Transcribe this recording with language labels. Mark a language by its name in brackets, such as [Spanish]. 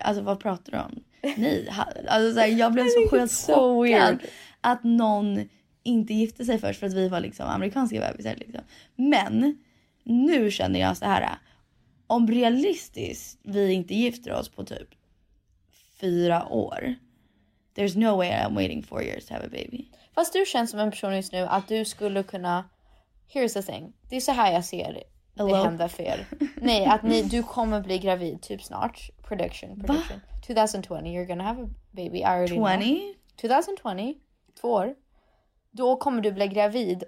[Swedish] Alltså vad pratar du om? Nej, alltså så här, jag blev så sjukt chockad att någon inte gifte sig först. För att vi var liksom amerikanska bebisar liksom. Men nu känner jag så här. Om realistiskt vi inte gifter oss på typ 4 år. [English] There's no way I'm waiting 4 years to have a baby. [Swedish] Fast du känns som en person just nu att du skulle kunna. [English] Here's the thing. [Swedish] Det är så här jag ser det. Det händer fel. Nej, att ni, du kommer bli gravid typ snart. [English] Prediction. 2020, you're gonna have a baby. I already 20? [Swedish] Know. 2020, 2 år. Då kommer du bli gravid.